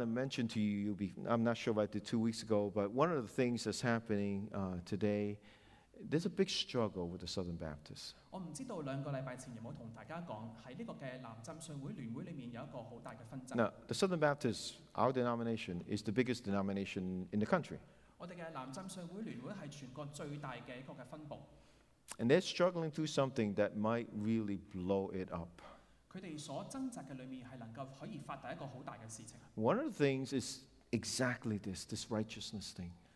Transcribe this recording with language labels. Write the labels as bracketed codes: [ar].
[en] to mention to you, I'm not sure if I did 2 weeks ago, but one of the things that's happening today, there's a big struggle with the Southern Baptists. [yue] 我唔知道兩個禮拜前有冇同大家講喺呢個嘅南浸信會聯會裡面有一個好大嘅紛爭。 [en] Now, the Southern Baptists, our denomination, is the biggest denomination in the country. [yue] 我哋嘅南浸信會聯會係全國最大嘅一個嘅分部。 [en] And they're struggling through something that might really blow it up. [yue] 佢哋所掙扎嘅裡面係能夠可以發達一個好大嘅事情。 [en] One of the things is exactly this righteousness thing.